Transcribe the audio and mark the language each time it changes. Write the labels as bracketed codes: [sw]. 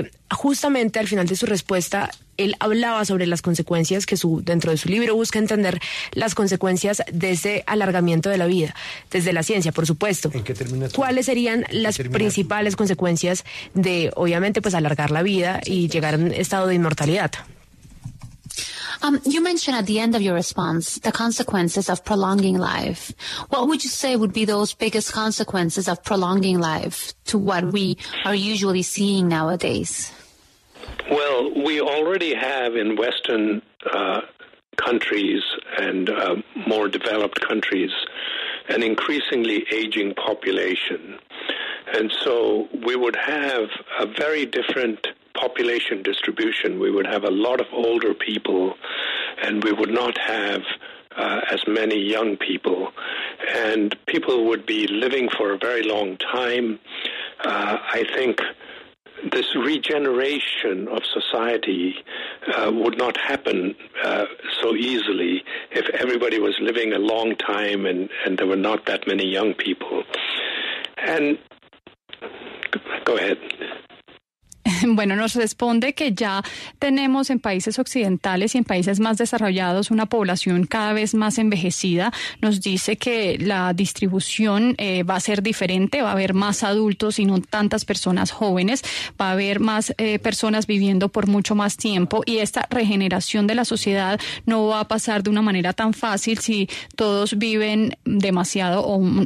[es] Justamente al final de su respuesta, él hablaba sobre las consecuencias que dentro de su libro busca entender las consecuencias de ese alargamiento de la vida, desde la ciencia, por supuesto. ¿En qué termina tú? ¿Cuáles serían las principales consecuencias de, obviamente, pues alargar la vida y llegar a un estado de inmortalidad? [en] You mentioned at the end of your response the consequences of prolonging life. What would you say would be those biggest consequences of prolonging life to what we are usually seeing nowadays? Well, we already have in Western countries and more developed countries an increasingly aging population. And so we would have a very different population distribution. We would have a lot of older people, and we would not have as many young people. And people would be living for a very long time. I think this regeneration of society would not happen so easily if everybody was living a long time and there were not that many young people. And go ahead. [es] Bueno, nos responde que ya tenemos en países occidentales y en países más desarrollados una población cada vez más envejecida. Nos dice que la distribución va a ser diferente, va a haber más adultos y no tantas personas jóvenes, va a haber más personas viviendo por mucho más tiempo y esta regeneración de la sociedad no va a pasar de una manera tan fácil si todos viven demasiado o